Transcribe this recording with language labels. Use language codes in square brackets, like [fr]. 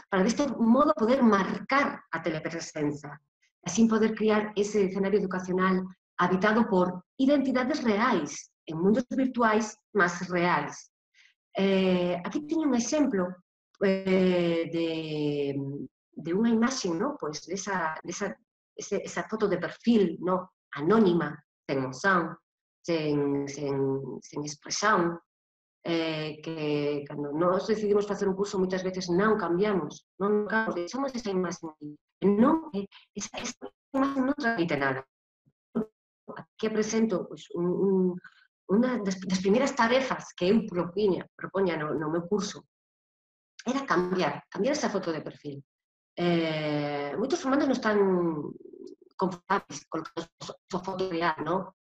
[gl] Para deste modo poder marcar a telepresenza, así poder criar ese escenario educacional habitado por identidades reais en mundos virtuais máis reais. Aquí teño un exemplo de unha imaxe, ¿no? Pues esa foto de perfil, ¿no? Anónima, sen emoción, sen expresión, que cando nos decidimos facer un curso moitas veces non cambiamos, non cambiamos, deixamos esa imaxen, non, esa imaxen non transmite nada. Aquí presento unha das primeiras tarefas que eu propoña no meu curso, era cambiar esa foto de perfil, [es] Muchos humanos no están confortables con su foto real, ¿no?